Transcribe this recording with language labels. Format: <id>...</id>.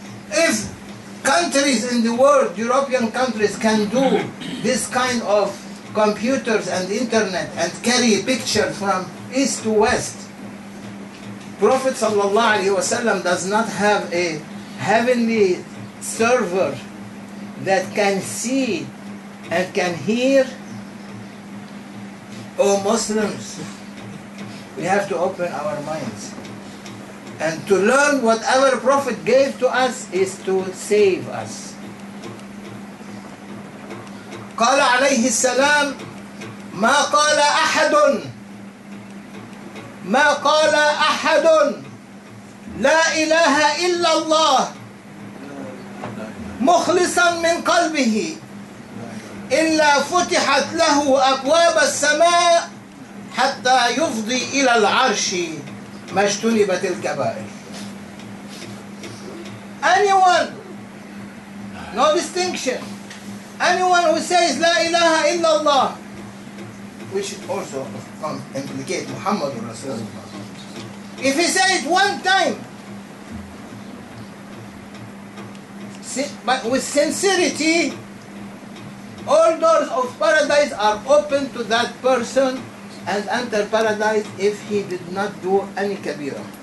<en>If countries in the world, European countries, can do this kind of computers and internet and carry pictures from east to west, Prophet sallallahu alayhi wa sallam does not have a heavenly server that can see and can hear. Oh Muslims, we have to open our minds. And to learn whatever Prophet gave to us is to save us.</en> <ar>قال عليه السلام ما قال أحد ما قال أحد لا إله إلا الله مخلصا من قلبه إلا فتحت له أبواب السماء حتى يفضي إلى العرش ما اجتنبت الكبائر.</ar> <en>Anyone, no distinction, anyone who says</en> <ar>لا إله إلا الله,</ar> <en>which also implicates</en> <ar>محمد رسول الله,</ar> <en>if he says it one time but with sincerity, all doors of paradise are open to that person and enter paradise if he did not do any kabira.</en>